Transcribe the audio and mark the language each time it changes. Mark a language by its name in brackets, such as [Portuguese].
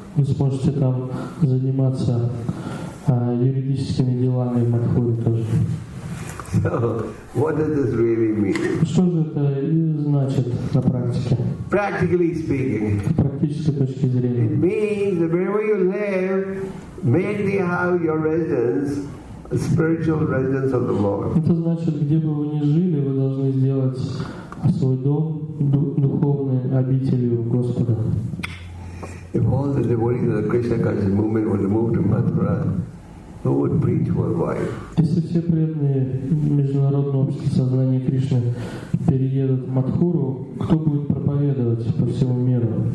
[Russian] Вы сможете там заниматься юридическими делами в Мадхуре тоже. [English] So, what does this really mean? [Russian] Что же это значит на практике? [English] Practically speaking, [Russian] с практической точки зрения, [English] it means that wherever you live, make the house your residence, a spiritual residence of the Lord. [Russian] Это значит, где бы вы ни жили, вы должны сделать свой дом духовной обителью Господа. [English] If all the devotees of the Krishna conscious movement were to move to Mathura, who would preach worldwide? [Russian] Если все преданные международного общества сознания Кришны переедут в Мадхуру, кто будет проповедовать по всему миру?